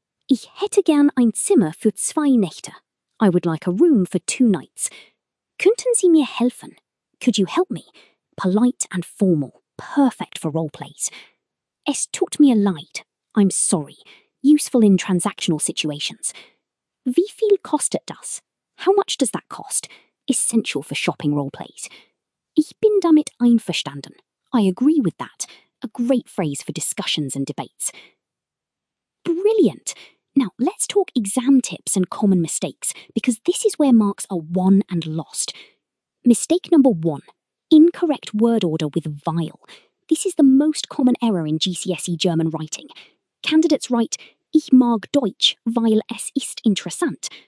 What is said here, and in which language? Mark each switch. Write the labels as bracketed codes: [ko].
[de] Ich hätte gern ein Zimmer für zwei Nächte. [en] I would like a room for two nights. [de] Könnten Sie mir helfen? [en] Could you help me? Polite and formal. Perfect for role plays. [de] Es tut mir leid. [en] I'm sorry. Useful in transactional situations. [de] Wie viel kostet das? [en] How much does that cost? Essential for shopping role plays. [de] Ich bin damit einverstanden. [en] I agree with that. A great phrase for discussions and debates. Brilliant! Now, let's talk exam tips and common mistakes, because this is where marks are won and lost. Mistake number one, incorrect word order with weil. This is the most common error in GCSE German writing. Candidates write, [de] ich mag Deutsch, weil es ist interessant.